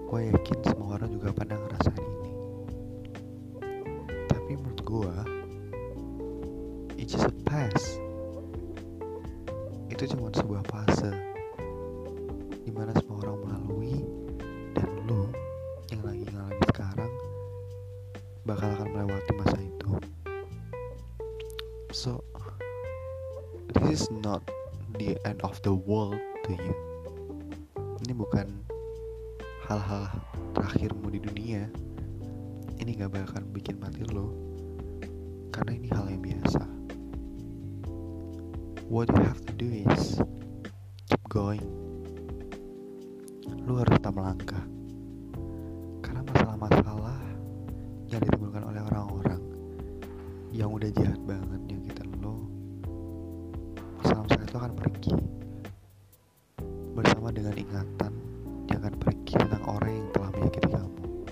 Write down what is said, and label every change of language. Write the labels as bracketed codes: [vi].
[id] yakin semua orang juga pernah ngerasain ini. Tapi menurut gua, [en] it's just a pass. [id] Itu cuma sebuah fase dimana semua orang melalui, dan lu yang lagi ngalami sekarang bakal akan melewati masa itu. [en] So, this is not the end of the world to you. [id] Ini bukan hal-hal terakhirmu di dunia. Ini gak bakal bikin mati lo, karena ini hal yang biasa. [en] What you have to do is keep going. [id] Lo harus tetap melangkah, karena masalah-masalah yang ditimbulkan oleh orang-orang yang udah jahat banget nyakitin lo, masalah-masalah itu akan pergi bersama dengan ingatan yang akan pergi tentang orang yang telah menyakiti kamu.